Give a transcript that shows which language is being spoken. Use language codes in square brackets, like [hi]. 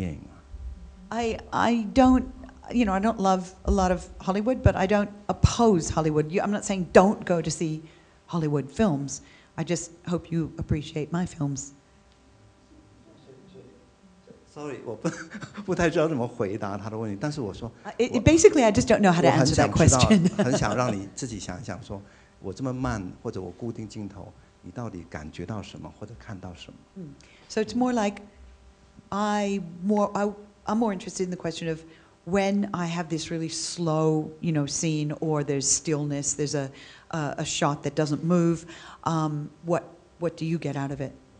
[zh] 不需要反对任何人。我拍电影也不反对好莱坞。我虽然非常讨厌现在好莱坞的电影，可是我不反对它。你们看吧，你知道，你们就看吧，对不对？可是我也要让你们看我的电影啊。 [en] I don't. You know, I don't love a lot of Hollywood, but I don't oppose Hollywood. I'm not saying don't go to see Hollywood films. I just hope you appreciate my films. Sorry, [zh] 我不太知道怎么回答他的问题，但是我说 [en] basically, I just don't know how to answer that question. [zh] 很想让你自己想一想，说我这么慢或者我固定镜头，你到底感觉到什么或者看到什么？ [en] So it's more like I'm more interested in the question of. When I have this really slow, you know, scene, or there's stillness, there's a shot that doesn't move, what do you get out of it?